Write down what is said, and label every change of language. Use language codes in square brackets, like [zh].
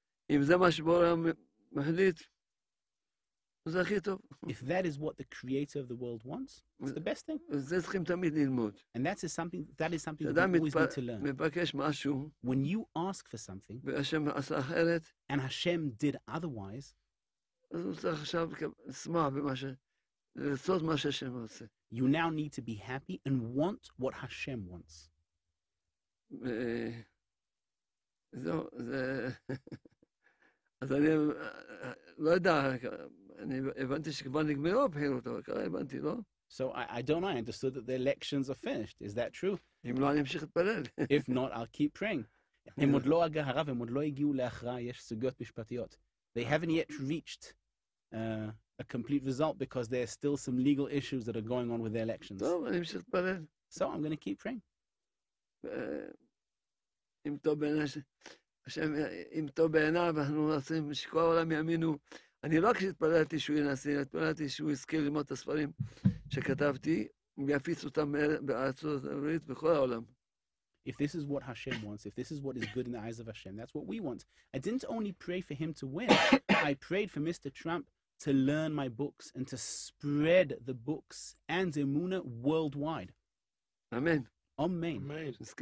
[he] אם זה מה שבורא מחליט, זה הכי טוב. [en] If that is what the creator of the world wants, it's the best thing. [he] זה צריכים תמיד ללמוד. [en] And that is something that we always need to learn. [he] מבקש משהו, [en] when you ask for something, [he] והשם עשה אחרת, [en] and Hashem did otherwise, [he] אז הוא צריך עכשיו לשמח במה ש... לעשות מה שהשם עושה. [en] You now need to be happy and want what Hashem wants. [he] זה... אז אני לא יודע, אני הבנתי שכבר נגמרו הבחירות, אבל ככה הבנתי, לא? [en] So I don't know, I understood that the elections are finished. Is that true? [he] אם לא, אני אמשיך להתפלל. [en] If not, I'll keep praying. [he] הם עוד לא הגיעו להכרעה, הם עוד לא הגיעו להכרעה, יש סוגיות משפטיות. [en] They haven't yet reached a complete result because there are still some legal issues that are going on with the elections. [he] טוב, אני אמשיך להתפלל. [en] So I'm going to keep praying. [he] אם טוב בעיני השם, אם טוב בעיניו, אנחנו עושים שכל העולם יאמינו. אני לא רק שהתפללתי שהוא ינסה, התפללתי שהוא יזכיר ללמוד את הספרים שכתבתי, ויפיץ אותם בארצות הברית בכל העולם. [en] If this is what Hashem wants, if this is what is good in the eyes of Hashem, that's what we want. I didn't only pray for him to win. I prayed for Mr. Trump to learn my books and to spread the books and Emunah worldwide. Amen. Amen.